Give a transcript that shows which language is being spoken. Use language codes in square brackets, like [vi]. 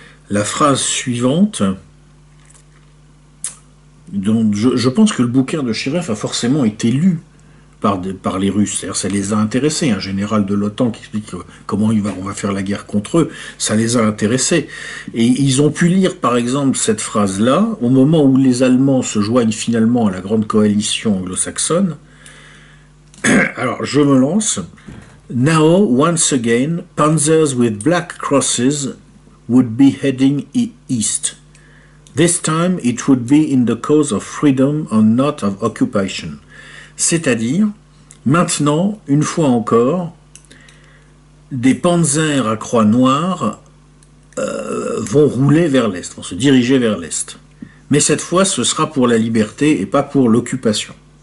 [fr] La phrase suivante, donc je pense que le bouquin de Chirev a forcément été lu par les Russes. C'est-à-dire, ça les a intéressés. Un général de l'OTAN qui explique comment on va faire la guerre contre eux, ça les a intéressés. Et ils ont pu lire, par exemple, cette phrase-là, au moment où les Allemands se joignent finalement à la grande coalition anglo-saxonne. Alors, je me lance. [en] Now, once again, panzers with black crosses would be heading east. This time, it would be in the cause of freedom and not of occupation. [fr] C'est-à-dire, maintenant, une fois encore, des panzers à croix noire vont rouler vers l'est, vont se diriger vers l'est. Mais cette fois, ce sera pour la liberté et pas pour l'occupation.